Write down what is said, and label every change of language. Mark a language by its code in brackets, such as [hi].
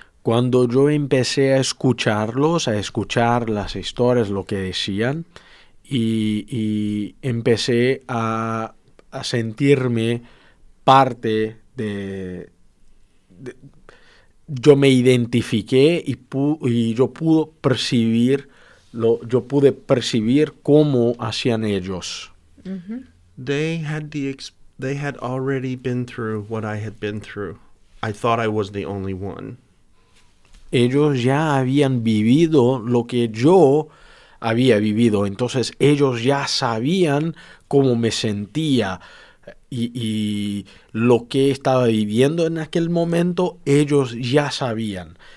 [es] Cuando yo empecé a escucharlos, a escuchar las historias, lo que decían, y empecé a sentirme parte de yo me identifiqué y yo pude percibir cómo hacían ellos. Mm-hmm. [en] They had already been through what I had been through. I thought I was the only one. [es] Ellos ya habían vivido lo que yo había vivido. Entonces, ellos ya sabían cómo me sentía y lo que estaba viviendo en aquel momento, ellos ya sabían.